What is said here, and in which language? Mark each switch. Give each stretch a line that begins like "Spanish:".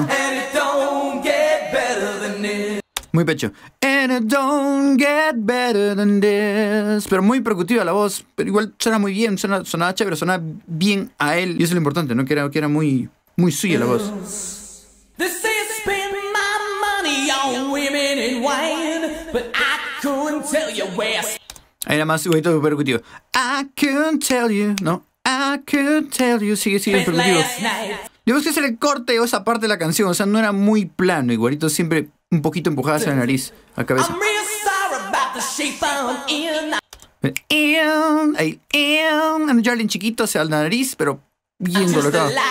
English: And it don't get better than this.
Spanish: Muy pecho.
English: And it don't get better than this.
Spanish: Pero muy percutiva la voz. Pero igual suena muy bien. Sonaba chévere, suena bien a él. Y eso es lo importante, ¿no? Que era muy, muy suya la voz.
English: This is spend my money on women and wine. But I couldn't tell you where.
Spanish: Ahí era más igualito percutivo.
English: I couldn't tell you,
Spanish: no.
English: I couldn't tell you.
Spanish: Sigue el percutivo. Digamos que es el corte o esa parte de la canción. O sea, no era muy plano. Igualito siempre un poquito empujada hacia la nariz, a cabeza.
English: I'm real sorry about the shape I'm in. In, ahí, in.
Spanish: And Jarlin chiquito hacia la nariz, pero bien colocado.